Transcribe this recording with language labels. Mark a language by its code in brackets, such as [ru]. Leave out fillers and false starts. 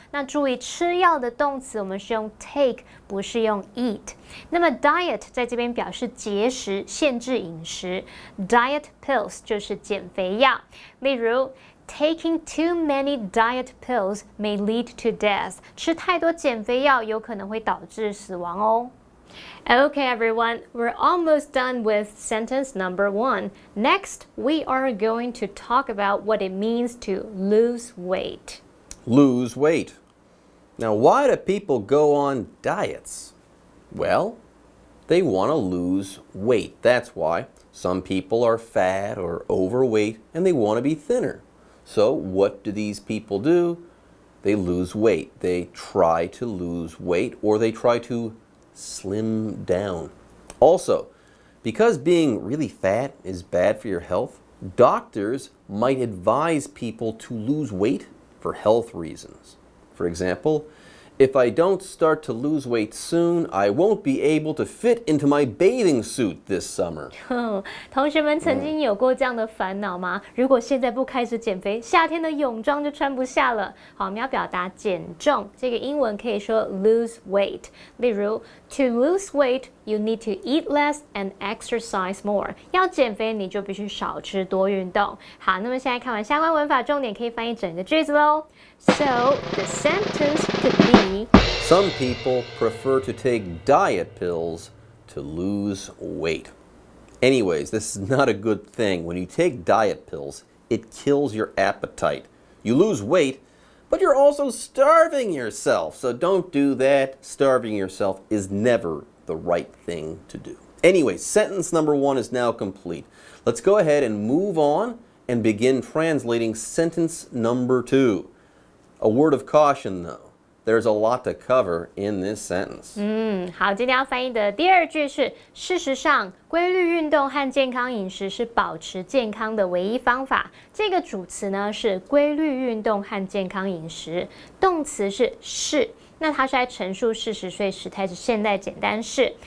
[zh] 那注意吃药的动词我们是用 take， 不是用 eat。那么 diet 在这边表示节食、限制饮食。 [en] Diet pills [zh] 就是减肥药。例如 [en] Taking too many diet pills may lead to death. [zh] 吃太多减肥药有可能会导致死亡哦。 [en] Okay, everyone, we're almost done with sentence number one. Next, we are going to talk about what it means to lose weight. Lose weight. Now, why do people go on diets? Well, they want to lose weight. That's why. Some people are fat or overweight and they want to be thinner. So, what do these people do? They lose weight. They try to lose weight or they try to slim down. Also, because being really fat is bad for your health, doctors might advise people to lose weight for health reasons. For example, if I don't start to lose weight soon, I won't be able to fit into my bathing suit this summer. [zh] 同学们曾经有过这样的烦恼吗？如果现在不开始减肥，夏天的泳装就穿不下了。好，我们要表达减重，这个英文可以说 [en] lose weight. 例如 to lose weight, you need to eat less and exercise more. [zh] 要减肥，你就必须少吃多运动。好，那么现在看完相关文法重点，可以翻译整个句子喽。 [en] So, the sentence could be... Some people prefer to take diet pills to lose weight. Anyways, this is not a good thing. When you take diet pills, it kills your appetite. You lose weight, but you're also starving yourself. So don't do that. Starving yourself is never the right thing to do. Anyways, sentence number one is now complete. Let's go ahead and move on and begin translating sentence number two. A word of caution, though. There's a lot to cover in this sentence. [zh] 好，今天要翻译的第二句是，事实上，规律运动和健康饮食是保持健康的唯一方法。这个主词呢，是规律运动和健康饮食。动词是是。那它是在陈述事实，所以时态是现在简单式。